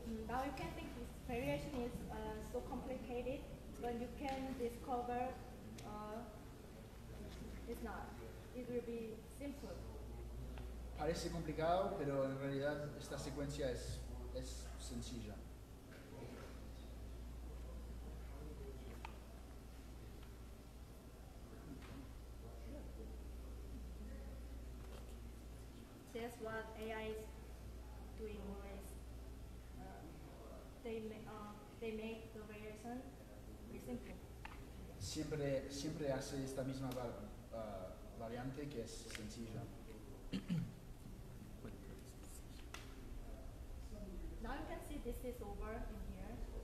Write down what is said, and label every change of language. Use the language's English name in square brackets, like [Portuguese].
[English] Now you can think this variation is so complicated, but you can discover it's not. It will be simple. [Spanish] Parece complicado, pero en realidad esta secuencia es sencilla. [English] That's what AI is doing always. They make the variation simple. [Spanish] Siempre hace esta misma variante que es sencilla. [English] Now you can see this is over in here.